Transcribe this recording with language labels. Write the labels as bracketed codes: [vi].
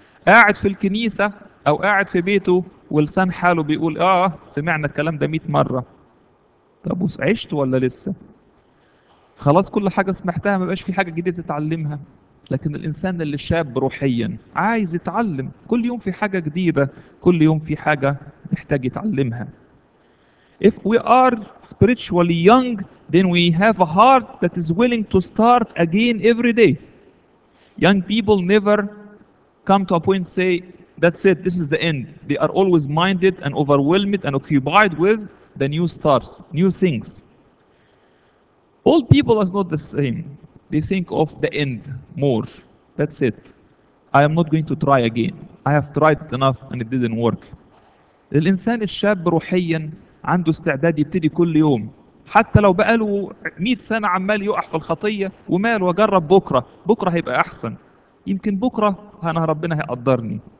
[ar] قاعد في الكنيسة أو قاعد في بيته ولسان حاله بيقول سمعنا الكلام ده 100 مرة. طب عشت ولا لسه؟ خلاص كل حاجة سمعتها ما بقاش في حاجة جديدة تتعلمها. لكن الإنسان اللي شاب روحيا عايز يتعلم كل يوم في حاجة جديدة، كل يوم في حاجة محتاج يتعلمها. [en] If we are spiritually young, then we have a heart that is willing to start again every day. Young people never come to a point say, that's it, this is the end. They are always minded and overwhelmed and occupied with the new starts, new things. Old people are not the same. They think of the end more. That's it. I am not going to try again. I have tried enough and it didn't work. [ar] الإنسان الشاب روحيا عنده استعداد يبتدي كل يوم، حتى لو بقى له 100 سنة عمال يقع في الخطية وماله، أجرب بكرة، بكرة هيبقى أحسن، يمكن بكرة أنا ربنا هيقدرني.